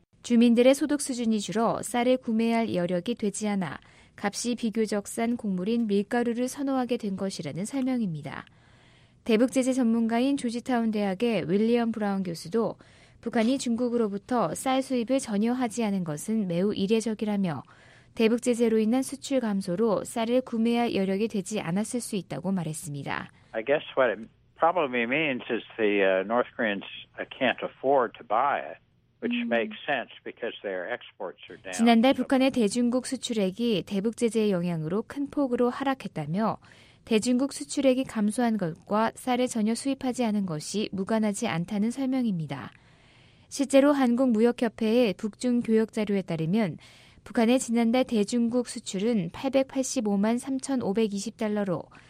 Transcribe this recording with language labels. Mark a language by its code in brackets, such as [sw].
[ko] 주민들의 소득 수준이 줄어 쌀을 구매할 여력이 되지 않아 값이 비교적 싼 곡물인 밀가루를 선호하게 된 것이라는 설명입니다. 대북 제재 전문가인 조지타운 대학의 윌리엄 브라운 교수도 북한이 중국으로부터 쌀 수입을 전혀 하지 않은 것은 매우 이례적이라며 대북 제재로 인한 수출 감소로 쌀을 구매할 여력이 되지 않았을 수 있다고 말했습니다. [en] I guess what it probably means is the North Koreans can't afford to buy it, which makes sense because their exports are down. [ko] 지난달 북한의 대중국 수출액이 대북 제재의 영향으로 큰 폭으로 하락했다며 대중국 수출액이 감소한 것과 쌀을 전혀 수입하지 않은 것이 무관하지 않다는 설명입니다. 실제로 한국무역협회의 북중교역자료에 따르면 북한의 지난달 대중국 수출은 885만 3,520달러로